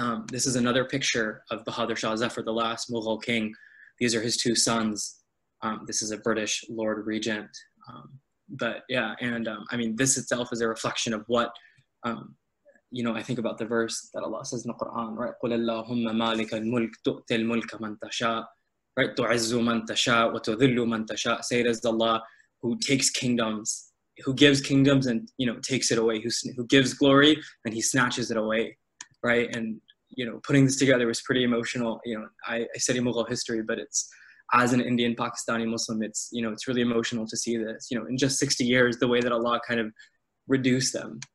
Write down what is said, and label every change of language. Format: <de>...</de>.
<en>This is another picture of Bahadur Shah Zafar, the last Mughal king. These are his two sons. This is a British Lord Regent. This itself is a reflection of what, you know, I think about the verse that Allah says in the Quran, right?</en> <ar>قُلَ اللَّهُمَّ مَالِكَ الْمُلْكِ تُؤْتِي الْمُلْكَ مَنْ تَشَاءُ right? تُعِزُّ مَنْ تَشَاءُ وَتُذِلُّ مَنْ تَشَاءُ</ar> <en>Say it as Allah who takes kingdoms, who gives kingdoms and, you know, takes it away, who gives glory and he snatches it away. Right. And, you know, putting this together was pretty emotional. You know, I study Mughal history, but it's as an Indian Pakistani Muslim, it's, you know, it's really emotional to see this, you know, in just 60 years, the way that Allah kind of reduced them</en>